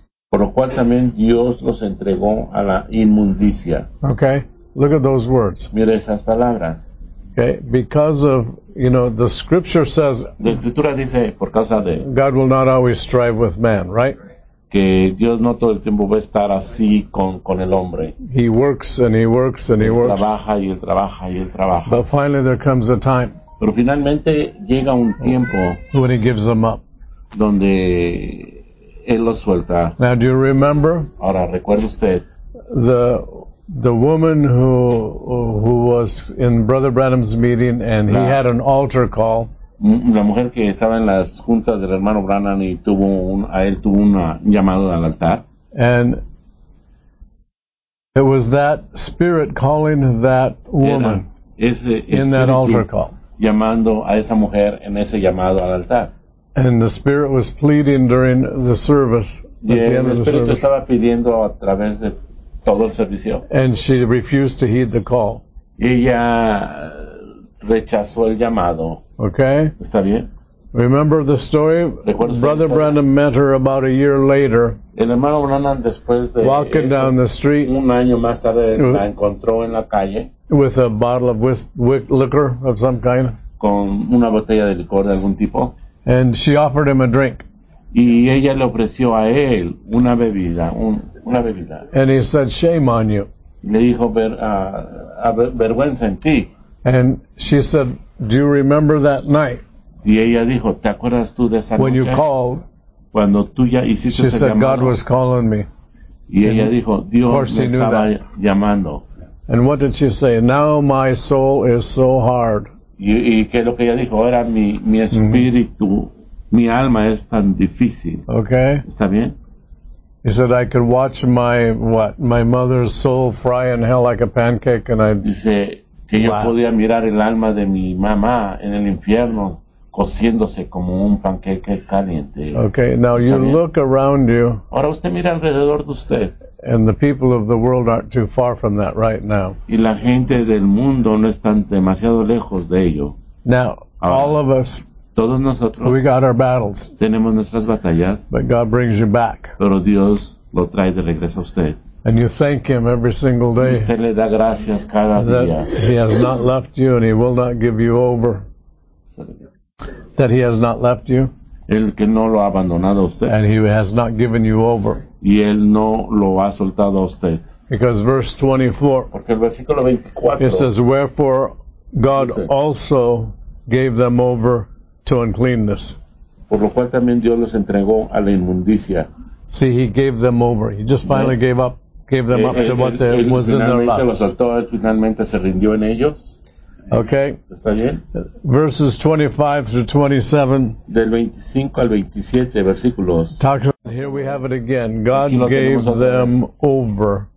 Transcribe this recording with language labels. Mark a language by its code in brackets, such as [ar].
[es] Por lo cual también Dios los entregó a la inmundicia. [en] Okay, look at those words. [es] Mira esas palabras. [en] Okay, because of, you know, the scripture says. [es] La escritura dice por causa de. [en] God will not always strive with man, right? [es] Que Dios no todo el tiempo va a estar así con el hombre. [en] He works and he works and he works. [es] Trabaja y él trabaja y él trabaja. [en] But finally there comes a time. [es] Pero finalmente llega un tiempo. [en] When he gives them up. [es] Donde él lo suelta. [en] Now do you remember? [es] Ahora recuerda usted. [en] The woman who was in Brother Branham's meeting and he had an altar call. [es] La mujer que estaba en las juntas del hermano Branham y tuvo un llamado al altar. [en] And it was that spirit calling that woman in that altar call. [es] Llamando a esa mujer en ese llamado al altar. [en] And the Spirit was pleading during the service. And she refused to heed the call. [es] Ella rechazó el llamado. [en] Okay. [es] ¿Está bien? [en] Remember the story? Brother Branham met her about a year later. [es] El hermano Branham, después de [en] walking [es] eso, [en] down the street. [es] Un año más tarde, la encontró en la calle. [en] With a bottle of liquor of some kind. [es] Con una botella de licor de algún tipo. [en] And she offered him a drink. [es] Y ella le ofreció a él una bebida, una bebida. [en] And he said, "Shame on you." [es] Le dijo, vergüenza en ti. [en] And she said, "Do you remember that night?" [es] Y ella dijo, ¿te acuerdas tú de esa [en] noche? When you called. [es] Cuando tú ya hiciste ese llamado. [en] She said, "God was calling me." [es] Y ella dijo, Dios me estaba llamando. [en] And what did she say? Now my soul is so hard. [es] Y qué es lo que ella dijo, ahora mi espíritu, mi alma es tan difícil. [en] Okay. [es] ¿Está bien? [en] He said, I could watch my mother's soul fry in hell like a pancake and I'd... [es] Dice que yo podía mirar el alma de mi mamá en el infierno cociéndose como un panqueque caliente. [en] Okay, now you look around you. [es] Ahora usted mira alrededor de usted. [en] And the people of the world aren't too far from that right now. [es] Y la gente del mundo no están demasiado lejos de ello. [en] Now, all of us, [es] todos nosotros, [en] we got our battles. [es] Tenemos nuestras batallas. [en] But God brings you back. [es] Pero Dios lo trae de regreso a usted. [en] And you thank him every single day. [es] Y usted le da gracias cada [en] that [es] día. [en] He has not left you and he will not give you over. That he has not left you. [es] El que no lo ha abandonado a usted. [en] And he has not given you over. [es] Y él no lo ha soltado a usted. [en] Because verse 24. [es] Porque el versículo 24. [en] It says, wherefore God dice, also gave them over to uncleanness. [es] Por lo cual también Dios los entregó a la inmundicia. [en] See, he gave them over. He just finally gave up. Gave them up to what they, was in their lust. [es] Los soltó, finalmente se rindió en ellos. [en] Okay. [es] ¿Está bien? [en] Verses 25 through 27. Del 25 [es] al 27 versículos. [en] Here we have it again. God gave them over.